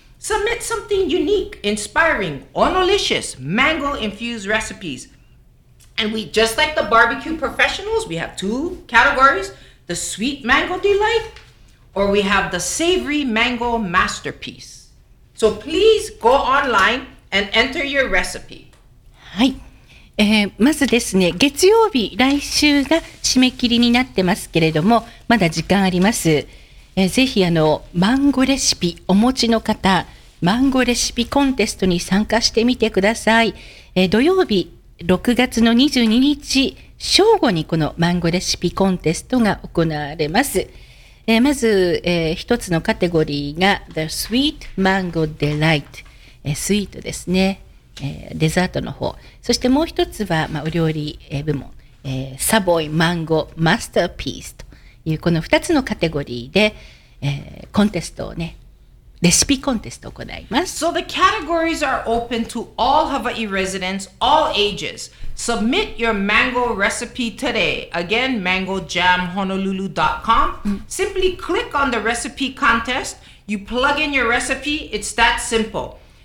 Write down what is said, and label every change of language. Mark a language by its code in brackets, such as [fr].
[en] Submit something unique, inspiring, onolicious, mango-infused recipes. And we, just like the barbecue professionals, we have two categories, the sweet mango delight, or we have the savory mango masterpiece. So please go online and enter your recipe. [ja] はい、まずですね、月曜日、来週が締め切りになってますけれども、まだ時間あります。ぜひマンゴレシピお持ちの方、マンゴレシピコンテストに参加してみてください。土曜日、6月の22日、正午にこのマンゴレシピコンテストが行われます。まず、一つのカテゴリーが The Sweet Mango Delight、スイートですね、デザートの方、そしてもう一つは、まあ、お料理、部門、サボイマンゴマスターピースというこの二つのカテゴリーで、コンテストをね、レシピコンテストを行います。 [en] So the categories are open to all Hawaii residents, all ages. Submit your mango recipe today. Again, mangojamhonolulu.com. Simply click on the recipe contest. You plug in your recipe. It's that simple.